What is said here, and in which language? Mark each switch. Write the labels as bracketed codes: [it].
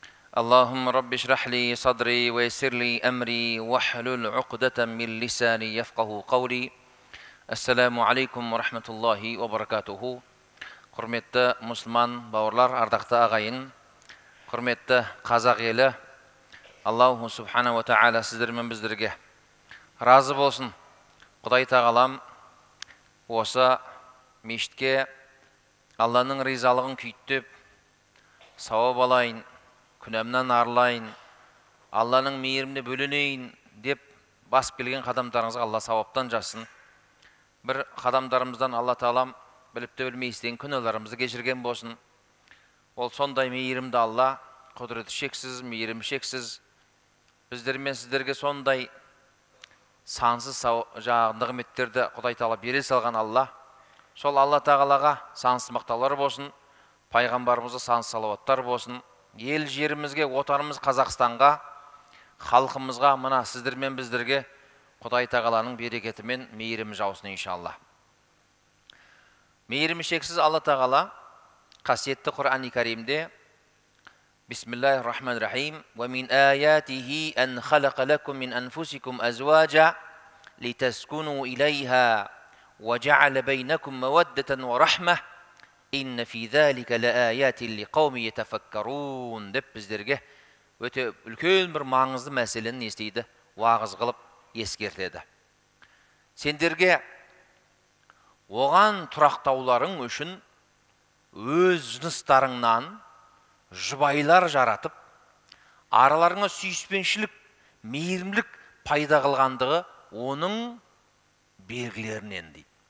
[ar] اللهم رب اشرح لي صدري ويسر لي أمري واحلل عقدة من لساني يفقه قولي السلام عليكم ورحمة الله وبركاته [kk] құрметті мұсылман бауырлар, ардақты ағайын, құрметті қазақ елі, Аллаху субхана ва тааля сіздермен біздерге разы болсын. Құдай тағалам осы мешітке Алланың ризалығын күйттеп, сауап алайын, күнәмнен арылайын, Алланың мейіріміне бөленейін деп бас келген қадамдарыңызға Алла сауаптан жазсын. Бір қадамдарымыздан Алла тағалам біліп те білмейістен күнәларымызды кешірген болсын. Ол сондай мейірімді Алла, құдіреті шексіз, мейірімі шексіз. Біздер мен сіздерге сондай сансыз жағы нығметтерді Құдай тағала бере салған Алла, сол Алла тағалаға сансыз мақтаулар болсын, пайғамбарымызға сансыз салауаттар болсын. Ел жерімізге, отанымыз Қазақстанға, халқымызға, мына сіздер мен біздерге Құдай тағаланың берекеті мен мейірімі жаусын иншалла. Мейірімі шексіз Алла тағала қасиетті Құран-ы Кәрімде [ar] بسم الله الرحمن الرحيم ومن آياته أن خلق لكم من أنفسكم أزواجا لتسكنوا إليها وجعل بينكم مودة ورحمة إن في ذلك لآيات لقوم يتفكرون [kk] деп біздерге өте үлкен бір маңызды мәселені естейді, уағыз қылып ескертеді. Сендерге оған тұрақтауларың үшін өз жыныстарыңнан жұбайлар жаратып, араларыңа сүйіспеншілік, мейірімділік пайда қылғандығы оның белгілерінен дейді.